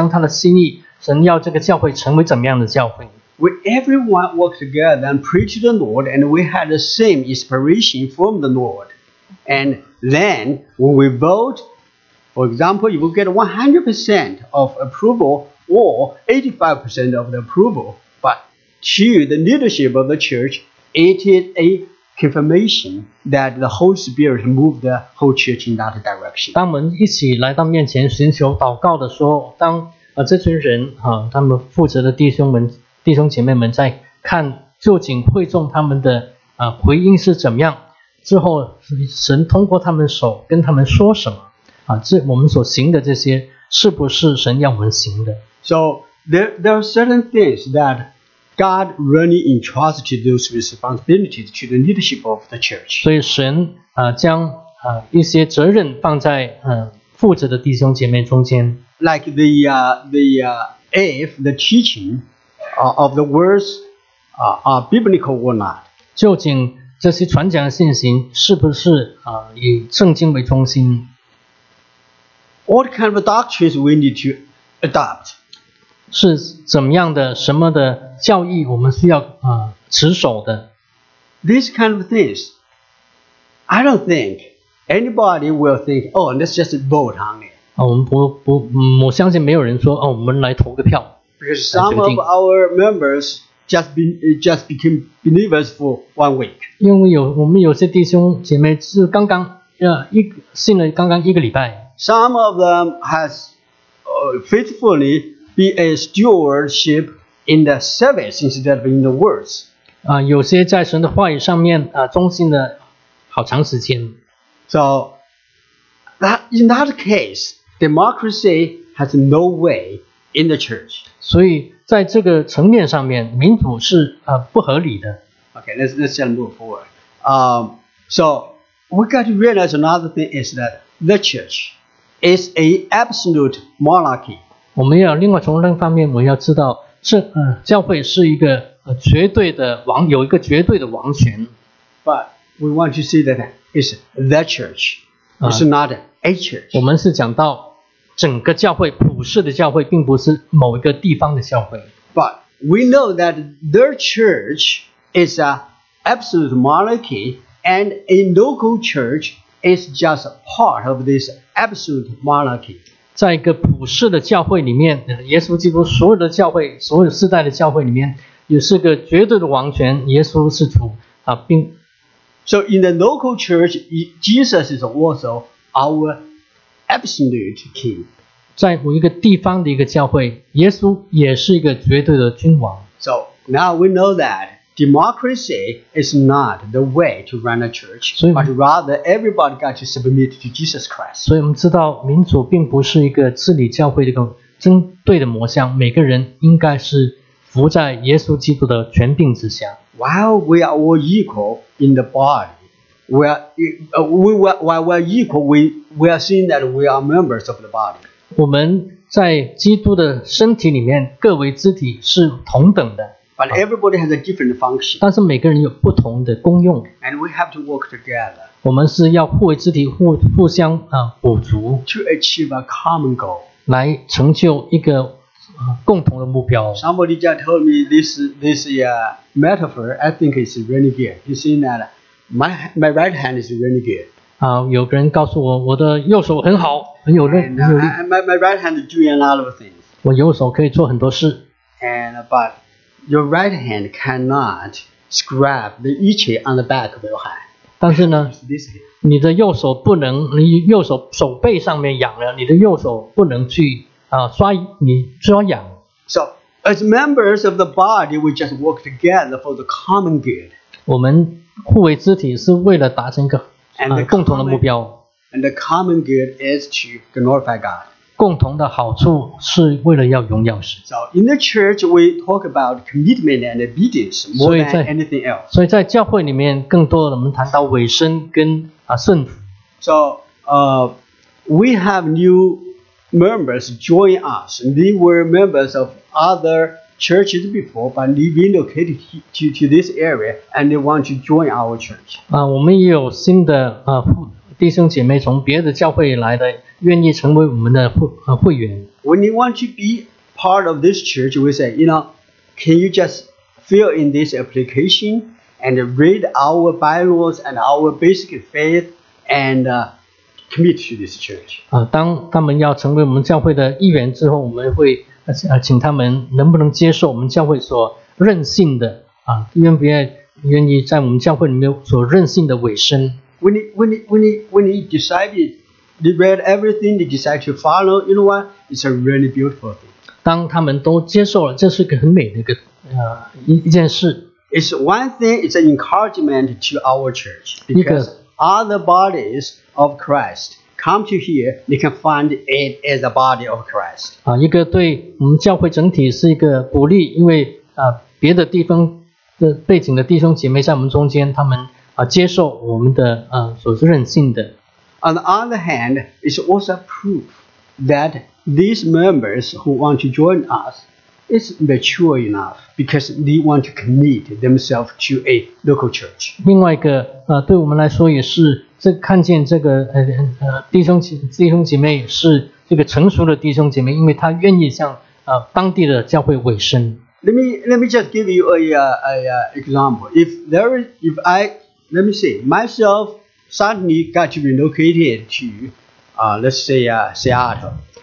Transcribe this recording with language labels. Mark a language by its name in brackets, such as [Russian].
[Chinese] 究竟我们祷告，我们究竟神将他的心意，神要这个教会成为怎么样的教会？ [English] We everyone work together and pray to the Lord, and we had the same inspiration from the Lord. And then when we vote, for example, you will get 100% of approval. Or 85% of the approval, but to the leadership of the church, it is a confirmation that the Holy Spirit moved the whole church in that direction. [Chinese] 当我们一起来到面前寻求祷告的时候，当 这群人, 他们负责的弟兄们、弟兄姐妹们在看究竟会众他们的, 回应是怎么样，之后神通过他们手跟他们说什么, 这我们所行的这些是不是神要我们行的。 [English] So there are certain things that God really entrusted to those responsibilities to the leadership of the church. [Chinese] 所以神, 将, 一些责任放在, 负责的弟兄姐妹中间。 [English] Like the teaching of the words are biblical or not. [Chinese] 究竟这些传讲的信息是不是, 以圣经为中心。 [English] What kind of doctrines we need to adopt? [Chinese] 是怎么样的什么的教义我们需要, 持守的。 [English] These kind of things, I don't think anybody will think, oh, let's just vote on it. [Chinese] 我相信没有人说, 我们来投个票, [English] because some of our members just became believers for 1 week. [Chinese] 因为我们有些弟兄姐妹是刚刚, 信了刚刚一个礼拜。 [English] Some of them has faithfully be a stewardship in the service instead of in the words. [Chinese] 有些在神的话语上面, 忠心了好长时间。 [English] So, that, in that case, democracy has no way in the church. [Chinese] 所以在这个层面上面, 民主是, 不合理的。 [English] Okay, let's just move forward. So we got to realize another thing is that the church is an absolute monarchy. [Chinese] 我们要另外从另一方面我们要知道, 是, 教会是一个, 绝对的王, 有一个绝对的王权。 [English] But we want to see that it's the church. It's not a church. [Chinese] 我们是讲到, 整个教会, 普世的教会, 并不是某一个地方的教会。 [English] But we know that their church is an absolute monarchy, and a local church is just part of this absolute monarchy. [Chinese] 在一个普世的教会里面, 耶稣基督所有的教会, 所有世代的教会里面, 也是个绝对的王权, 耶稣是主, 啊, 并, [English] So in the local church, Jesus is also our absolute king. [Chinese] 在某一个地方的一个教会, 耶稣也是一个绝对的君王。 [English] So now we know that democracy is not the way to run a church, [Chinese] 所以, [English] but rather everybody got to submit to Jesus Christ. [Chinese] 所以我们知道民主并不是一个治理教会的一个针对的模像, 每个人应该是服在耶稣基督的权柄之下。 [English] While we are all equal in the body, while we are equal, we are seeing that we are members of the body. [Chinese] 我们在基督的身体里面, 各为肢体是同等的。 [English] But everybody has a different function. [Chinese] 但是每个人有不同的功用。 [English] And we have to work together. [Chinese] 我们是要互为肢体, 互相, 补足。 [English] To achieve a common goal. [Chinese] 来成就一个, 共同的目标。 [English] Somebody just told me this metaphor, I think it's really good. You see that my right hand is really good. [Chinese] 有个人告诉我, 我的右手很好, 很有力。 [English] My right hand is doing a lot of things. [Chinese] 我右手可以做很多事。 [English] But your right hand cannot scrap the itchy on the back of your hand. [Chinese] 但是呢, 你的右手不能, 你右手背上面痒了, 你的右手不能去, 刷你, 刷痒。 [English] So, as members of the body, we just work together for the common good. [Chinese] 我们互为肢体是为了达成一个, [English] and the common [Chinese] 共同的目标。 [English] And the common good is to glorify God. [Chinese] 共同的好处是为了要荣耀神。 [English] So, in the church, we talk about commitment and obedience more than anything else. [Chinese] 所以在教会里面, 更多的我们谈到委身跟, [English] So, we have new members join us. They were members of other churches before, but they relocated to this area and they want to join our church. [Chinese] 我们也有新的, 弟兄姐妹从别的教会来的, 愿意成为我们的会员。 [English] When you want to be part of this church, we say, you know, can you just fill in this application and read our bylaws and our basic faith and commit to this church. [Chinese] 当他们要成为我们教会的一员之后, 我们会, 请他们能不能接受我们教会所任性的, 愿不愿意在我们教会里面所任性的委身。 [English] When you decide, they read everything, they decide to follow, you know what? It's a really beautiful thing. [Chinese] 当他们都接受了, 这是个很美的一个, 一件事。 [English] It's one thing, it's an encouragement to our church. Because [Chinese] 一个, [English] other bodies of Christ come to here, they can find it as a body of Christ. [Chinese] 一个对我们教会整体是一个鼓励, 因为, 别的地方, 背景的弟兄姐妹在我们中间, 他们, 接受我们的, 所是任性的。 [English] On the other hand, it's also proof that these members who want to join us is mature enough because they want to commit themselves to a local church. [Chinese] 另外一个, 对我们来说也是, 这看见这个, 弟兄姐妹是这个成熟的弟兄姐妹, 因为他愿意向, 当地的教会委身。 [English] Let me just give you a example. If myself suddenly got to be located to, let's say, Seattle.